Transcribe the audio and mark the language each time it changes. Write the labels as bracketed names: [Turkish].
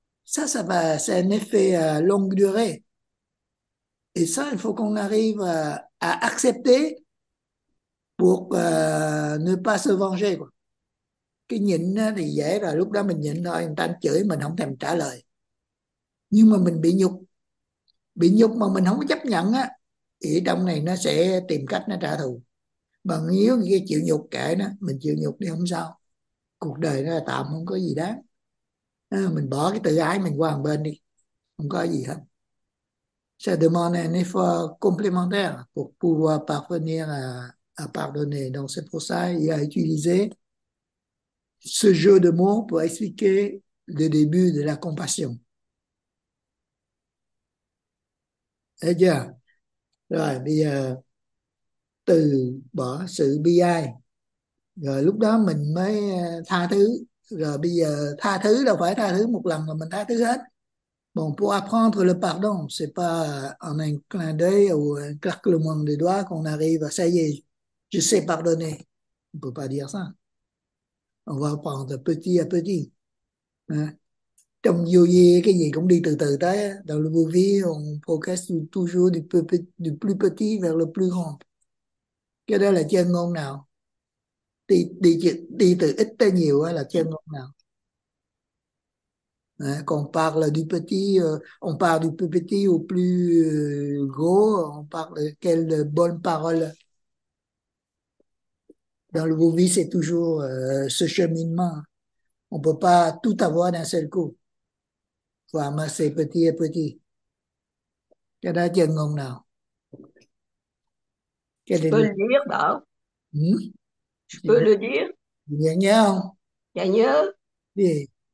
[French] Ça va, c'est un effet à longue durée. Et ça, il faut qu'on arrive à accepter pour ne pas se venger quoi. [Vietnamese] Cái nhịn thì dễ rồi, lúc đó mình nhịn thôi, người ta chửi mình không thèm trả lời, nhưng mà mình bị nhục mà mình không có chấp nhận á, thì trong này nó sẽ tìm cách nó trả thù. Bằng nếu cái chịu nhục kệ nó, mình chịu nhục đi không sao, cuộc đời nó là tạm không có gì đáng. Mình bỏ cái tự ái mình qua một bên đi, không có gì hết. [French] Ça demande un effort complémentaire pour pouvoir parvenir à pardonner. Donc c'est pour ça qu'il a utilisé ce jeu de mots pour expliquer le début de la compassion. [Vietnamese] Thấy chưa? Rồi bây giờ từ bỏ sự bi ai, rồi lúc đó mình mới tha thứ. Rồi bây giờ tha thứ đâu phải tha thứ một lần mà mình tha thứ hết. [French] Bon, pour apprendre le pardon, c'est pas en un clin d'œil ou un claquement de doigts qu'on arrive à ça y est. Je sais pardonner. On peut pas dire ça. On va apprendre petit à petit. Hein? [Vietnamese] Trong yogi, cái gì cũng đi từ từ tới. [French] Dans le yogi, on progresse toujours du plus petit vers le plus grand. [Vietnamese] Cái đó là chân ngôn nào? Đi, đi, đi từ ít tới nhiều là chân ngôn nào? Hein? [French] Quand on parle du petit, on parle du plus petit au plus gros, on parle de quelle bonne parole. Dans le vous-vie, c'est toujours ce cheminement. On ne peut pas tout avoir d'un seul coup. Faut amasser petit à petit. [Vietnamese] Cái đó chân ngôn nào? cái điều Tôi biết đó. gì Tôi biết. nhớ không Dạ nhớ. gì